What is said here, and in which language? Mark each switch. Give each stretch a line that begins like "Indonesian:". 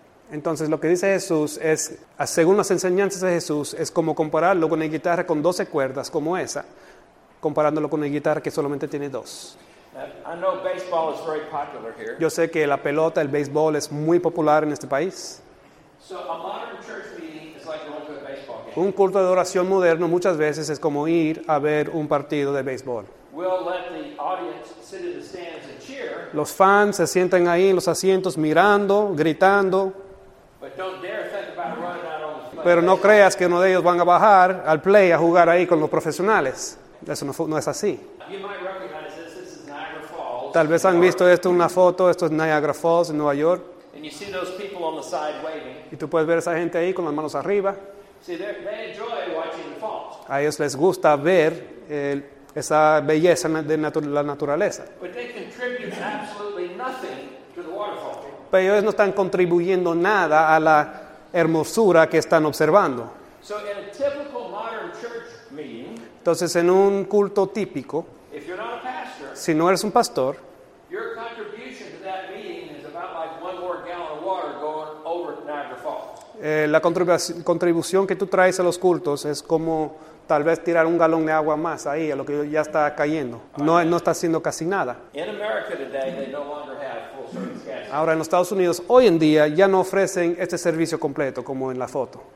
Spanish: Entonces, lo que dice Jesús es, según las enseñanzas de Jesús, es como compararlo con una guitarra con 12 cuerdas como esa, comparándolo con una guitarra que solamente tiene dos.
English: I know baseball is very popular here.
Spanish: Yo sé que la pelota, el béisbol, es muy popular en este país.
English: So a modern church meeting is like going to a baseball game.
Spanish: Un culto de adoración moderno muchas veces es como ir a ver un partido de béisbol.
English: We'll let the audience sit in the stands and cheer.
Spanish: Los fans se sientan ahí en los asientos mirando, gritando.
English: But don't dare think about running out on the play.
Spanish: Pero no creas que uno de ellos van a bajar al play a jugar ahí con los profesionales. Eso no es así.
English: You might recognize this. This is Niagara Falls.
Spanish: Tal vez han visto esto en una foto. Esto es Niagara Falls en Nueva York.
English: And you see those people on the side waving.
Spanish: Y tú puedes ver a esa gente ahí con las manos arriba.
English: See, they enjoy watching the falls.
Spanish: A ellos les gusta ver esa belleza de la naturaleza.
English: But they contribute absolutely nothing.
Spanish: Pero ellos no están contribuyendo nada a la hermosura que están observando.
English: So in a typical modern church meeting,
Spanish: entonces, en un culto típico,
English: if you're not a pastor,
Spanish: si no eres un pastor,
English: your contribution to that meeting is about like one more gallon of water going over Niagara Falls.
Spanish: La contribución que tú traes a los cultos es como tal vez tirar un galón de agua más ahí a lo que ya está cayendo. No está haciendo casi nada.
English: In America today, they no longer have.
Spanish: Ahora, en los Estados Unidos, hoy en día, ya no ofrecen este servicio completo, como en la foto.